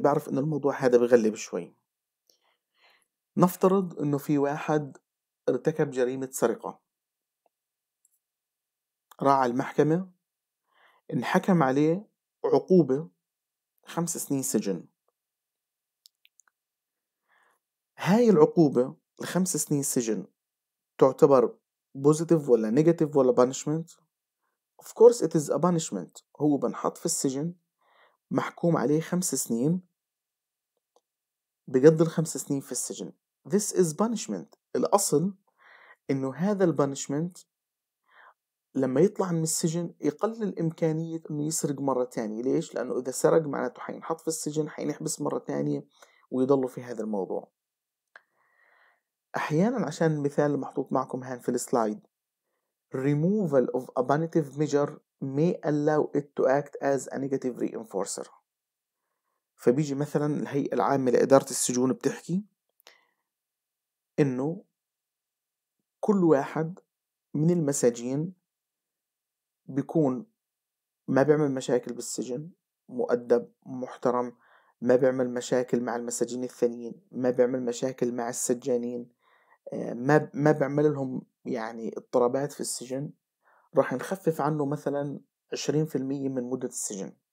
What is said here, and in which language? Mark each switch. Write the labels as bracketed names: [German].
[Arabic] بعرف ان الموضوع هذا بغلب شوي. نفترض انه في واحد ارتكب جريمة سرقة، راعى المحكمة، انحكم عليه عقوبة 5 سنين سجن. هاي العقوبة 5 سنين سجن تعتبر positive ولا negative ولا punishment؟ Of course it is a punishment. هو بنحط في السجن محكوم عليه 5 سنين، بقضي 5 سنين في السجن. [English] This is punishment. [Arabic] الأصل إنه هذا البانشمنت لما يطلع من السجن يقلل إمكانية إنه يسرق مرة تانية. ليش؟ لأنه إذا سرق معناته حينحط في السجن، حينحبس مرة تانية ويضلوا في هذا الموضوع. [English] أحياناً عشان المثال المحطوط معكم هان في السلايد، removal of a punitive measure may allow it to act as a negative reinforcer. [Arabic] فبيجي مثلاً الهيئة العامة لإدارة السجون بتحكي إنه كل واحد من المساجين بيكون ما بيعمل مشاكل بالسجن، مؤدب محترم، ما بيعمل مشاكل مع المساجين الثانيين، ما بيعمل مشاكل مع السجانين، ما بيعمل لهم يعني اضطرابات في السجن، راح نخفف عنه مثلا 20% من مدة السجن.